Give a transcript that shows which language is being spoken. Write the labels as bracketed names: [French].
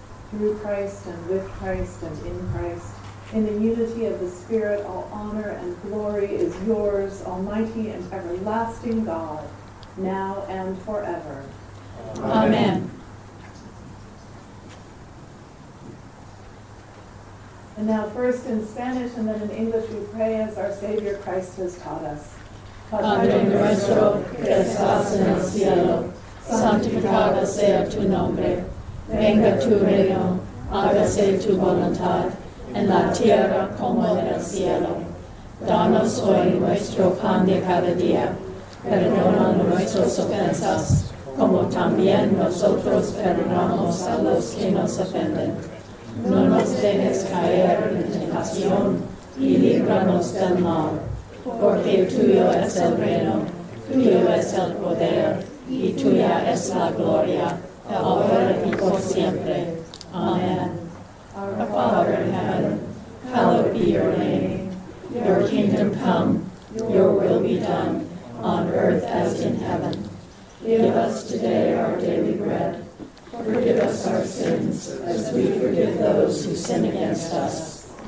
[English] Through Christ and with Christ and in Christ, in the unity of the Spirit, all honor and glory is yours, almighty and everlasting God, now and forever. Amen. And now first in Spanish and then in English we pray as our Savior Christ has taught us. [Spanish] Padre nuestro que estás en el cielo, santificado sea tu nombre, venga tu reino, hágase tu voluntad, en la tierra como en el cielo. Danos hoy nuestro pan de cada día. Perdona nuestras ofensas, como también nosotros perdonamos a los que nos ofenden. No nos dejes caer en tentación y líbranos del mal. Porque tuyo es el reino, tuyo es el poder y tuya es la gloria, ahora y por siempre. Amén. [English] Our Father in heaven, hallowed be your name. Your kingdom come, your will be done, on earth as in heaven. Give us today our daily bread. Forgive us our sins, as we forgive those who sin against us.